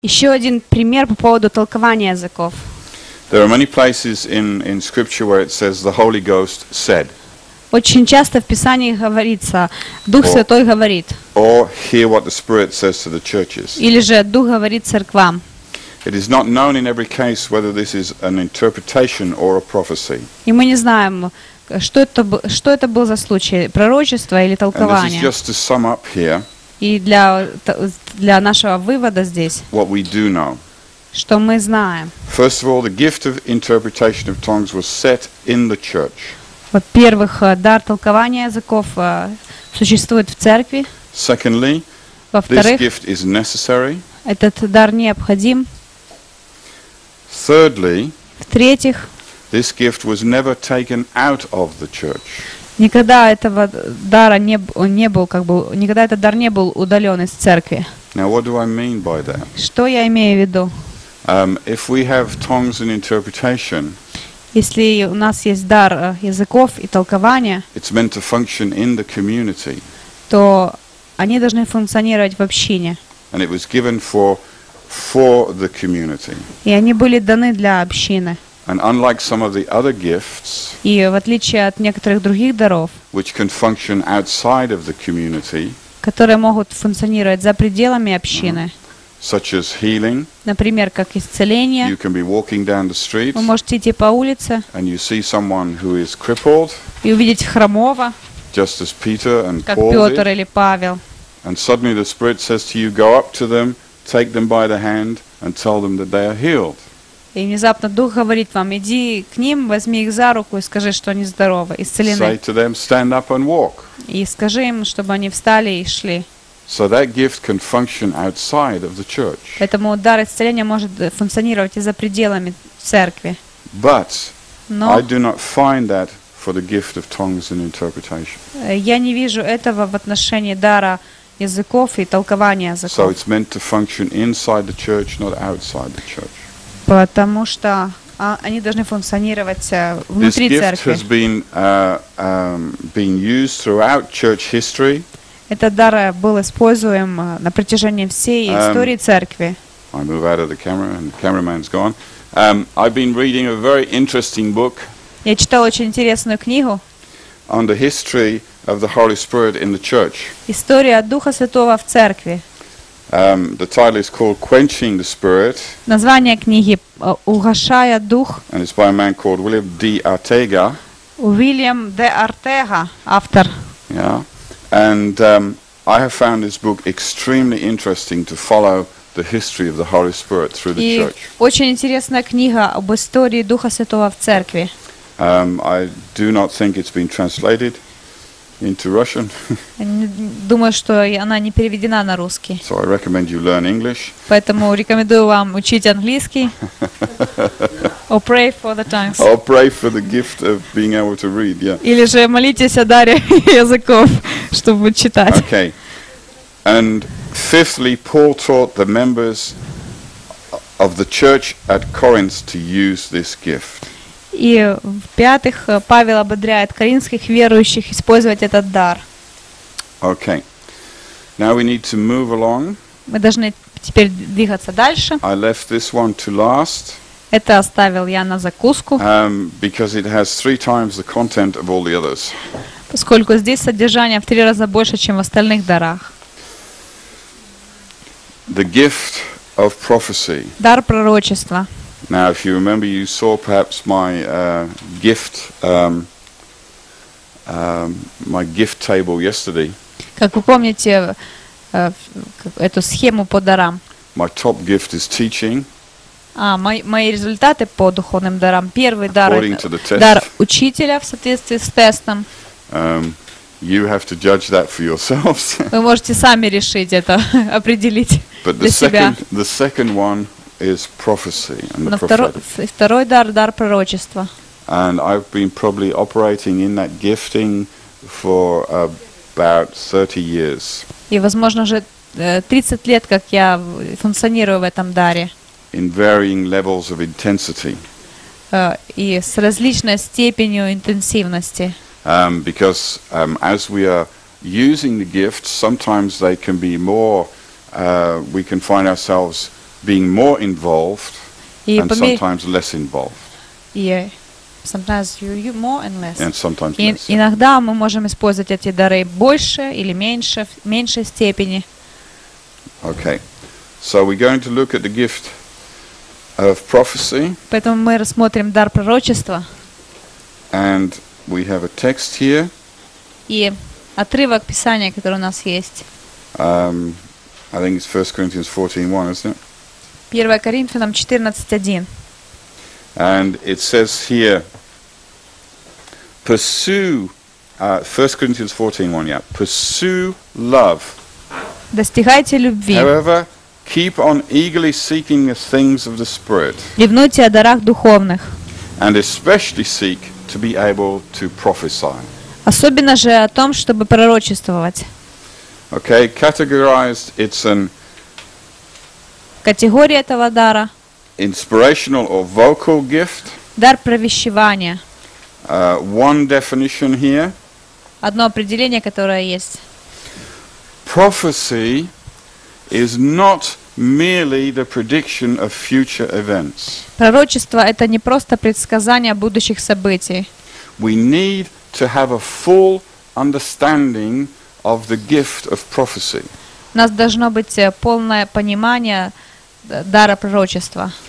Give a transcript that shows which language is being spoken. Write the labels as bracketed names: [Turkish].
[Russian] Еще один пример по поводу толкования языков. [English] There are many places in Scripture where it says the Holy Ghost said. [Russian] Очень часто в Писании говорится, Дух Святой говорит. [English] Or hear what the Spirit says to the churches. [Russian] Или же Дух говорит церквам. [English] It is not known in every case whether this is an interpretation or a prophecy. [Russian] И мы не знаем, что это был за случай, пророчество или толкование. [English] And this is just to sum up here. [Russian] И для нашего вывода здесь. [English] What we do know. [Russian] Что мы знаем. [English] First of all, the gift of interpretation of tongues was set in the church. [Russian] Во-первых, дар толкования языков существует в церкви. [English] Secondly, [Russian] во-вторых, [English] this gift is necessary. [Russian] Этот дар необходим. [English] Thirdly, [Russian] в-третьих, [English] this gift was never taken out of the church. [Russian] Никогда этого дара никогда этот дар не был удален из церкви. [English] Now, what do I mean by that? [Russian] Что я имею в виду? [English] If we have tongues and interpretation, [Russian] если у нас есть дар языков и толкования, [English] it's meant to function in the community. [Russian] То они должны функционировать в общине. [English] And it was given for the community. [Russian] И они были даны для общины. [English] And unlike some of the other gifts, [Russian] и в отличие от некоторых других даров, [English] which can function outside of the community, [Russian] которые могут функционировать за пределами общины, [English] such as healing, [Russian] например, как исцеление, [English] you can be walking down the street, [Russian] вы можете идти по улице, [English] and you see someone who is crippled, [Russian] и увидеть хромого, [English] just as Peter and [Russian] как [English] Paul [Russian] Петр [English] did, [Russian] или Павел, [English] and suddenly the Spirit says to you, go up to them, take them by the hand, and tell them that they are healed. [Russian] И внезапно Дух говорит вам, иди к ним, возьми их за руку и скажи, что они здоровы, исцелены. [English] Say to them, stand up and walk. [Russian] И скажи им, чтобы они встали и шли. [English] So that gift can function outside of the church. [Russian] Поэтому дар исцеления может функционировать и за пределами церкви. [English] But [Russian] Но [English] I do not find that for the gift of tongues and interpretation. [Russian] Я не вижу этого в отношении дара языков и толкования языков. [English] So it's meant to function inside the church, not outside the church. [Russian] Потому что они должны функционировать внутри церкви. [English] This gift has been used throughout church history. [Russian] Этот дар был используем на протяжении всей истории церкви. [English] I move out of the camera and the cameraman's gone. I've been reading a very interesting book. [Russian] Я читал очень интересную книгу. [English] On the history of the Holy Spirit in the church. [Russian] История Духа Святого в церкви. [English] The title is called Quenching the Spirit. [Russian] Название книги «Угашая дух». [English] And it's by a man called William D. Ortega. [Russian] William D. Ortega, автор. [English] Yeah. And I have found this book extremely interesting to follow the history of the Holy Spirit through the church. [Russian] И очень интересная книга об истории Духа Святого в церкви. [English] I do not think it's been translated into Russian. [Russian] Думаю, что она не переведена на русский. [English] So I recommend you learn English. [Russian] Поэтому рекомендую вам учить английский. [English] Or pray for the tongues. Or pray for the gift of being able to read, yeah. [Russian] Или же молитесь о даре языков, чтобы читать. [English] Okay. And fifthly, Paul taught the members of the church at Corinth to use this gift. [Russian] И в-пятых, Павел ободряет коринфских верующих использовать этот дар. [English] Okay. Now we need to move along. [Russian] Мы должны теперь двигаться дальше. [English] I left this one to last. [Russian] Это оставил я на закуску. [English] Because it has three times the content of all the others. [Russian] Поскольку здесь содержание в три раза больше, чем в остальных дарах. [English] The gift of prophecy. [Russian] Дар пророчества. [English] Now, if you remember, you saw perhaps my gift, my gift table yesterday. [Russian] Как вы помните эту схему по дарам? [English] My top gift is teaching. [Russian] Мои результаты по духовным дарам. Первый дар. [English] According to the test. [Russian] Дар учителя в соответствии с тестом. [English] You have to judge that for yourselves. [Russian] Вы можете сами решить это определить. [English] But the second one. Is prophecy and the prophetic. [Russian] Второй дар пророчества. [English] And I've been probably operating in that gifting for about 30 years. [Russian] И возможно уже 30 лет, как я функционирую в этом даре. [English] In varying levels of intensity. [Russian] И с различной степенью интенсивности. [English] Because as we are using the gifts, sometimes they can be more. We can find ourselves being more involved and sometimes less involved. Sometimes you more and less. And sometimes less. [Russian] Иногда мы можем использовать эти дары больше или меньше, в меньшей степени. [English] Okay. So we're going to look at the gift of prophecy. [Russian] Поэтому мы рассмотрим дар пророчества. [English] And we have a text here. [Russian] И отрывок писания, который у нас есть. [English] I think it's 1 Corinthians 14:1, isn't it? [Russian] 1 Коринфянам 14:1. [English] And it says here, pursue, 1 Corinthians 14:1, yeah, pursue love. [Russian] Достигайте любви. [English] However, keep on eagerly seeking the things of the Spirit. [Russian] Ревнуйте о дарах духовных. [English] And especially seek to be able to prophesy. [Russian] Особенно же о том, чтобы пророчествовать. [English] Okay, categorized, it's an... [Russian] Категория этого дара. [English] Inspirational or vocal gift. [Russian] Дар провещевания. [English] One definition here. [Russian] Одно определение, которое есть. [English] Prophecy is not merely the prediction of future events. [Russian] Пророчество — это не просто предсказание будущих событий. [English] We need to have a full understanding of the gift of prophecy. [Russian] У нас должно быть полное понимание дара пророчества.